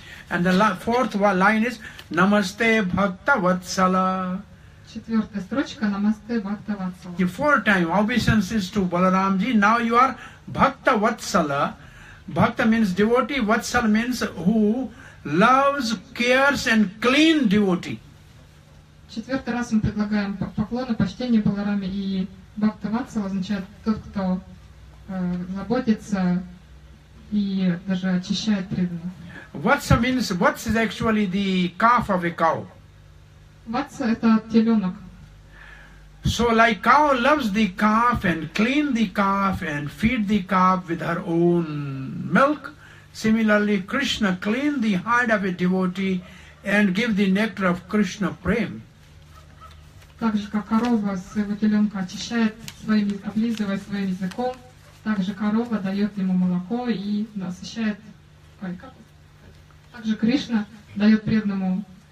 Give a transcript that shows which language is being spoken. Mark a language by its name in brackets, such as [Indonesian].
[English] And the fourth line is Namaste Bhakta Vatsala. [Russian] Четвертая строчка Намасте Бхакта Ватсала. [English] The four time obeisances to Balaramji. Now you are Bhakta Vatsala. Bhakta means devotee. Vatsala means who loves, cares and clean devotee. [Russian] Четвертый раз мы предлагаем поклоны, почтение Балараме и Бхакта Ватсала означает тот, кто заботится и даже очищает преданных. [English] Vatsala means Vats is actually the calf of a cow. [Russian] Ватса – это теленок. [English] So like cow loves the calf and clean the calf and feed the calf with her own milk. Similarly, Krishna clean the heart of a devotee and give the nectar of Krishna prem. [Russian] Так же, как корова своего теленка очищает, облизывая своим языком, так же корова дает ему молоко и насыщает... Так же Кришна дает преданному...